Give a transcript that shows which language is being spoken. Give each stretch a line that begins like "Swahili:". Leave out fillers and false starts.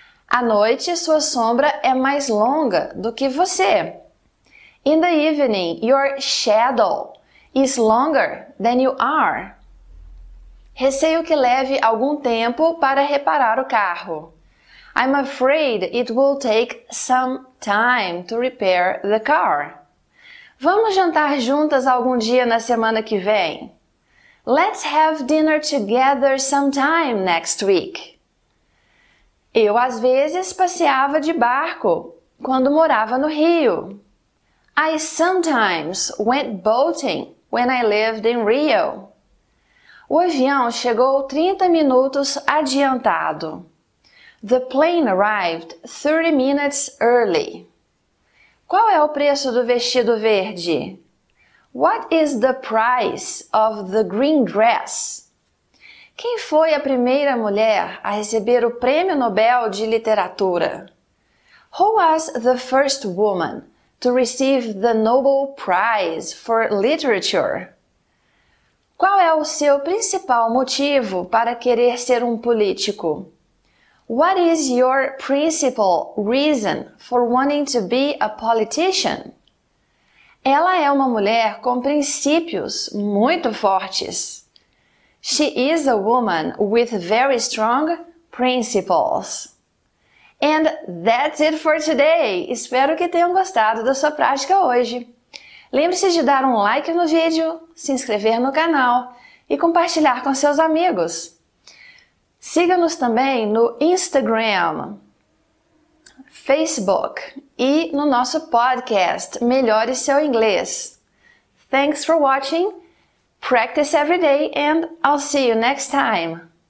Portuguese: À noite, sua sombra é mais longa do que você.
English: In the evening, your shadow is longer than you are.
Portuguese: Receio que leve algum tempo para reparar o carro.
English: I'm afraid it will take some time to repair the car.
Portuguese: Vamos jantar juntas algum dia na semana que vem?
English: Let's have dinner together sometime next week.
Portuguese: Eu, às vezes, passeava de barco quando morava no Rio.
English: I sometimes went boating when I lived in Rio.
Portuguese: O avião chegou 30 minutos adiantado.
English: The plane arrived 30 minutes early.
Portuguese: Qual é o preço do vestido verde?
English: What is the price of the green dress?
Portuguese: Quem foi a primeira mulher a receber o Prêmio Nobel de Literatura?
English: Who was the first woman to receive the Nobel Prize for Literature?
Portuguese: Qual é o seu principal motivo para querer ser um político?
English: What is your principal reason for wanting to be a politician?
Portuguese: Ela é uma mulher com princípios muito fortes.
English: She is a woman with very strong principles. And that's it for today.
Portuguese: Espero que tenham gostado da sua prática hoje. Lembre-se de dar um like no vídeo, se inscrever no canal e compartilhar com seus amigos. Siga-nos também no Instagram, Facebook e no nosso podcast Melhore Seu Inglês.
English: Thanks for watching. Practice every day and I'll see you next time.